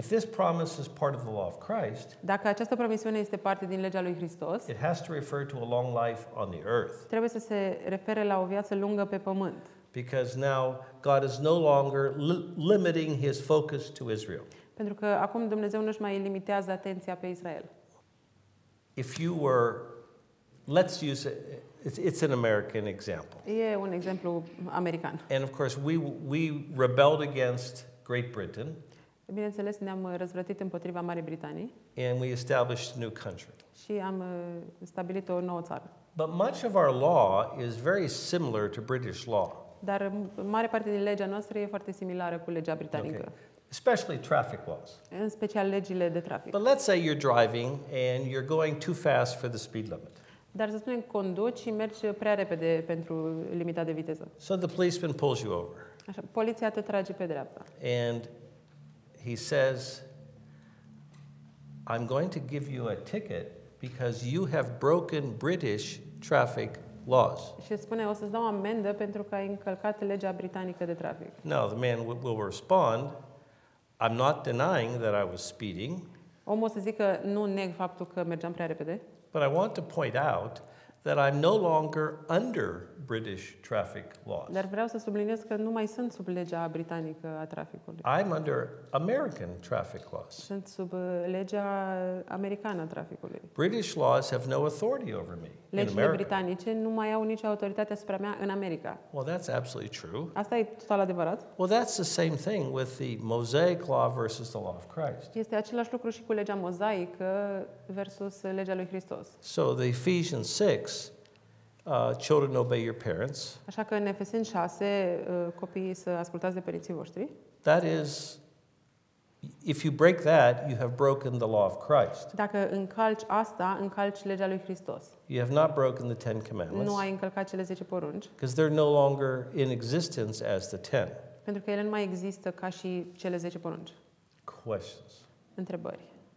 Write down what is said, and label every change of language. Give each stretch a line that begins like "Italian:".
English: If this promise is part of the law of Christ,
Romanian: dacă această promisiune este parte din legea lui Hristos,
English: it has to refer to a long life on the earth.
Romanian: Trebuie să se refere la o viață lungă pe pământ.
English: Because now God is no longer limiting his focus to Israel.
Romanian: Pentru că acum Dumnezeu nu-și mai limitează atenția pe Israel.
English: If you were, let's use it's an American example.
Romanian: E un exemplu american.
English: And of course we rebelled against Great Britain.
Romanian: Bineînțeles, ne-am răzvrătit împotriva Marii Britanii.
English: And we established a new country.
Romanian: Și am stabilit o nouă țară.
English: But much of our law is very similar to British law.
Romanian: Dar mare parte din legea noastră e foarte similară cu legea britanică.
English: Okay. Especially traffic laws.
Romanian: În special legile de trafic.
English: But let's say you're driving and you're going too fast for the speed limit.
Romanian: Dar să spunem, conduci și mergi prea repede pentru limita de viteză.
English: So the policeman pulls you over.
Romanian: Așa, poliția te trage pe dreapta.
English: And he says, I'm going to give you a ticket because you have broken British traffic laws.
Romanian: Și spune, o să-ți dau amendă pentru că ai încălcat legea britanică de trafic.
English: Now the man will respond, I'm not denying that I was speeding.
Romanian: Omul o să zică, nu neg faptul că mergeam prea repede.
English: But I want to point out that I'm no longer under British traffic laws.
Romanian: Dar vreau să subliniez că nu mai sunt sub legea britanică a traficului.
English: I'm under American traffic laws.
Romanian: Sunt sub legea americană a traficului.
English: British laws have no authority over me.
Romanian: Legile britanice nu mai au nicio autoritate asupra mea în America.
English: Well, that's absolutely true.
Romanian: Asta e total adevărat.
English: Well, that's the same thing with the Mosaic law versus the law of Christ.
Romanian: Este același lucru și cu legea mozaică versus legea lui Hristos.
English: So the Ephesians 6, children obey your parents.
Romanian: Așa că în Efeseni 6, copiii să ascultați de părinții voștri.
English: That is, if you break that, you have broken the law of Christ.
Romanian: Dacă încalci asta, încalci legea lui Hristos.
English: You have not broken the Ten Commandments.
Romanian: Nu ai încălcat cele 10 porunci.
English: Because they're no longer in existence as the Ten.
Romanian: Pentru că ele nu mai există ca și cele 10 porunci.
English: Questions.
Romanian: Întrebări.